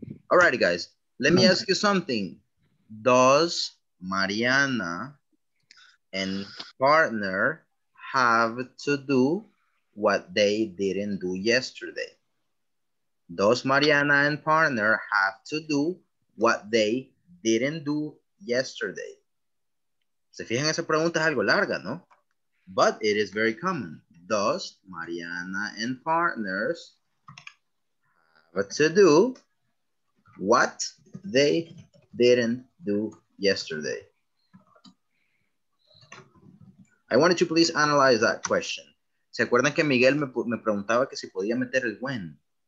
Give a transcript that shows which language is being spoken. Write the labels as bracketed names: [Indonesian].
[English] All right, guys, let me ask you something. Does Mariana and partner have to do what they didn't do yesterday? Does Mariana and partner have to do what they didn't do yesterday? [Spanish] Se fijan, esa pregunta es algo larga, ¿no? [English] But it is very common. Does Mariana and partners have to do what they didn't do yesterday? I wanted to please analyze that question. [Spanish] ¿Se acuerdan que Miguel me preguntaba que si podía meter el when?